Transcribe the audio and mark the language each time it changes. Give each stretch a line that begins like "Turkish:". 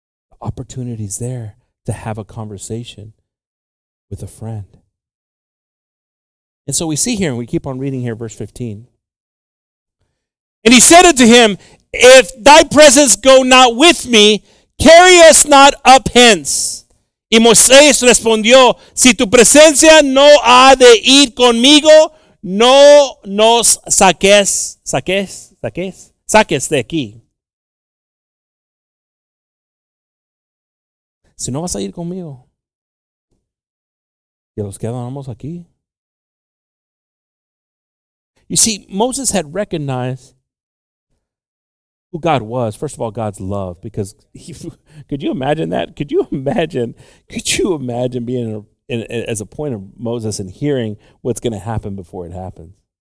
English: The opportunity is there to have a conversation with a friend. And so we see here, and we keep on reading here, verse 15. And he said unto him, if thy presence go not with me, carry us not up hence.
Spanish: Y Moisés respondió, si tu presencia no ha de ir conmigo, no nos saques de aquí. Si no vas a ir conmigo, que los quedamos aquí.
English: You see, Moses had recognized who God was. First of all, God's love. Because could you imagine that? Could you imagine being as a point of Moses and hearing what's going to happen before it happens?